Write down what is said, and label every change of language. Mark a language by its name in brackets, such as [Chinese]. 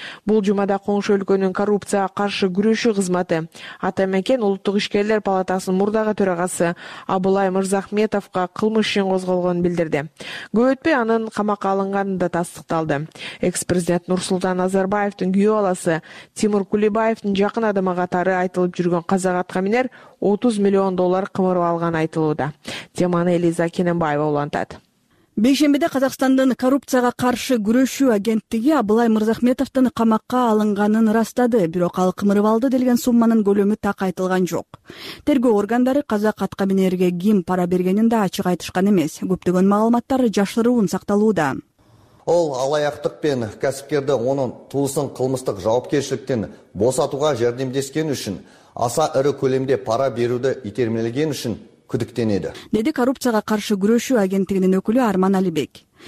[Kyrgyz] Бул жумада коңшу өлкөнүн коррупцияга каршы күрөшүү кызматы ата мекен улуттук ишкерлер палатасынын мурдагы төрагасы Абылай Мырзахметовго кылмыш ишин козголгонун билдирди. Көп өтпөй анын камакка алынганы да тастыкталды. Экс президент Нурсултан Назарбаевдин күйөө баласы Тимур Кулибаевдин жакын адамы катары айтылып жүргөн казак атка минер 30 миллион $ кымырып алганы айтылууда. Теманы Элиза Кененбаева улантат. Бейшембиде Казакстандын коррупцияга каршы күрөшүү агенттиги Абылай Мырзахметовдун камакка алынганын ырастады, бирок ал кымырып алды делген сумманын көлөмү так айтылган жок. Тергөө органдары казак атка минерге ким пара бергенин да ачык айтышкан эмес. Көптөгөн маалыматтар жашыруун сакталууда. [Kazakh] Ол алаяқтық пен кәсіпкерді оның туысын қылмыстық жауапкершіліктен босатуға жәрдемдескен үшін аса ірі көлемде пара беруді итермелеген үшін күдіктенеді. Деді коррупцияға қаршы күрешу агенттігінің өкілі Арман Алибек.